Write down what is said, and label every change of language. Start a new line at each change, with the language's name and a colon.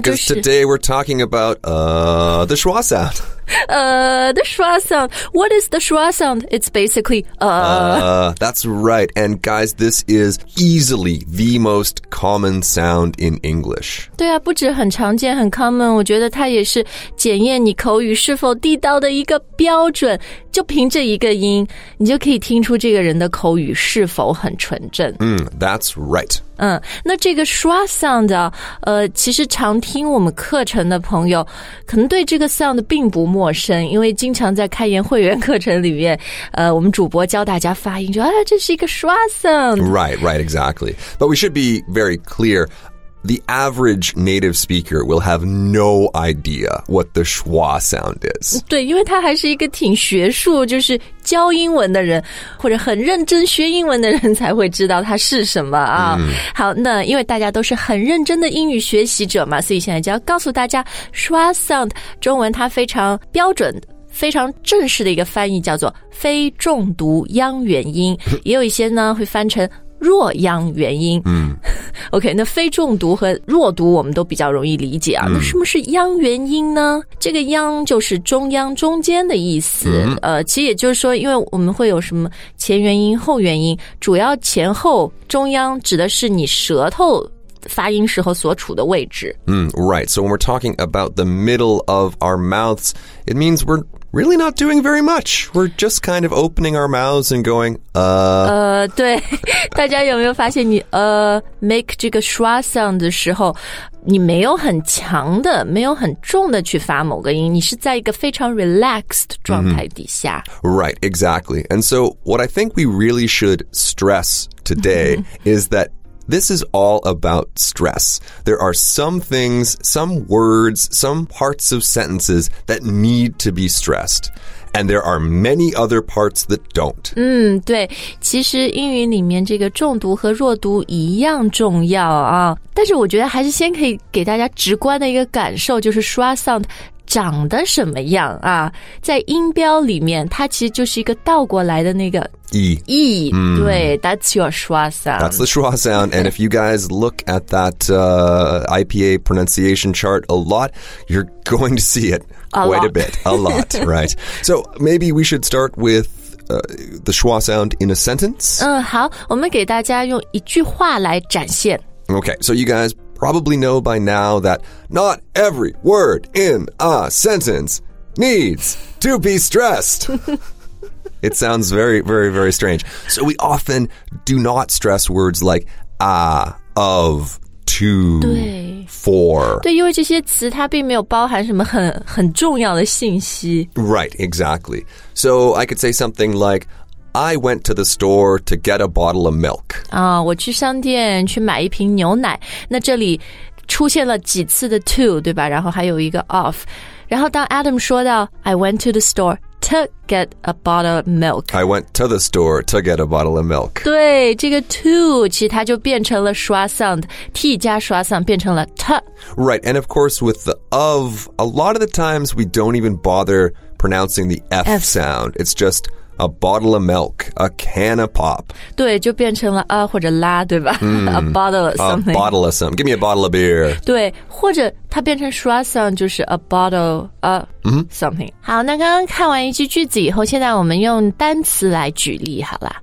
English: 就是 today we're talking about the schwa sound. The schwa sound. What is the schwa sound? It's basically That's right. And guys, this is easily the most common sound in English.
Chinese: 对啊，不止很常见，很 common， 我觉得它也是检验你口语是否地道的一个标准。就凭这一个音，你就可以听出这个人的口语是否很纯正。
English: 嗯 ，That's right。
Chinese: 嗯，那这个 schwa sound 啊，其实常听我们课程的朋友可能对这个 sound 并不陌生，因为经常在开言会员课程里面，我们主播教大家发音，就啊，这是一个 schwa sound。
English: Right, right, exactly. But we should be very clear. The average native speaker will have no idea what the schwa sound is.
Chinese: 对，因为他还是一个挺学术，就是教英文的人，或者很认真学英文的人才会知道它是什么啊。好，那因为大家都是很认真的英语学习者嘛，所以现在就要告诉大家 schwa sound 中文它非常标准的非常正式的一个翻译叫做非重读央元音，也有一些呢会翻成弱央元音。 OK， 那非重读和弱读我们都比较容易理解啊。那什么是央元音呢？这个央就是中央中间的意思。其实也就是说，因为我们会有什么前元音、后元音，主要前后中央指的是你舌头发音时候所处的位置。
English: Right. So when we're talking about the middle of our mouths, it means we're really not doing very much. We're just kind of opening our mouths and going,
Chinese: 对，大家有没有发现你make 这个 schwa sound 的时候，你没有很强的，没有很重的去发某个音，你是在一个非常 relaxed 状态底下。
English: Right, exactly. And so what I think we really should stress today is that this is all about stress. There are some things, some words, some parts of sentences that need to be stressed. And there are many other parts that don't.
Chinese: 对，其实英语里面这个重读和弱读一样重要啊。但是我觉得还是先可以给大家直观的一个感受，就是 schwa sound 长得什么样啊。在音标里面，它其实就是一个倒过来的那个
English: E. E,、
Chinese: 对
English: that's your schwa sound. That's the schwa sound. And if you guys look at that IPA pronunciation chart a lot, you're going to see it quite a bit. A lot, right. So maybe we should start with the schwa sound in a sentence.
Chinese: 好，我们给大家用一句话来展现。
English: Okay, so you guys probably know by now that not every word in a sentence needs to be stressed. It sounds very, very, very strange. So we often do not stress words like of, to, for.
Chinese: 对，因为这些词它并没有包含什么很重要的信息。
English: Right, exactly. So I could say something like, I went to the store to get a bottle of milk.
Chinese: 我去商店去买一瓶牛奶。那这里出现了几次的 to, 对吧？然后还有一个 of. 然后当 Adam 说到
English: I went to the store,To get a bottle of milk. I went to the store to get a bottle of milk.
Chinese: 对，这个 to 其实它就变成了 schwa sound, T 加 schwa sound 变成了 t.
English: Right, and of course with the of, a lot of the times we don't even bother pronouncing the F sound. It's just a bottle of milk, a can of pop.
Chinese: 对，就变成了或者啦，对吧？
English: A bottle of something. A bottle of something. Give me a bottle of beer.
Chinese: 对，或者它变成
English: schwa sound
Chinese: 就是
English: a bottle of something.
Chinese: 好，那刚刚看完一句句子以后，现在我们用单词来举例好了。